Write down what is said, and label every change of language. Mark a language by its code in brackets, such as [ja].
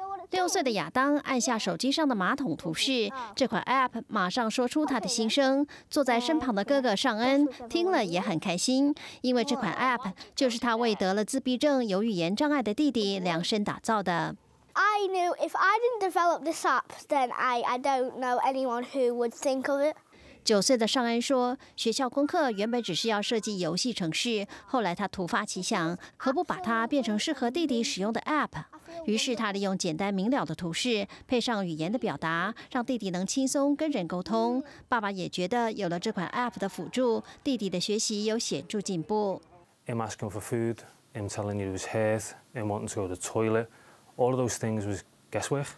[zh] 6岁的亚当按下手机上的马桶图示，这款 App 马上说出他的心声。坐在身旁的哥哥尚恩听了也很开心，因为这款 App 就是他为得了自闭症、有语言障碍的弟弟量身打造的。 [en] I knew if I didn't develop this app, then I don't know anyone who would think of it. [zh] 9岁的尚恩说，学校功课原本只是要设计游戏程式，后来他突发奇想，何不把它变成适合弟弟使用的 App？于是他利用简单明了的图示，配上语言的表达，让弟弟能轻松跟人沟通。爸爸也觉得有了这款 App 的辅助，弟弟的学习有显著进步。 [en] I'm asking for food. him telling you his hurt, him wanting to go to the toilet, all of those things was guesswork.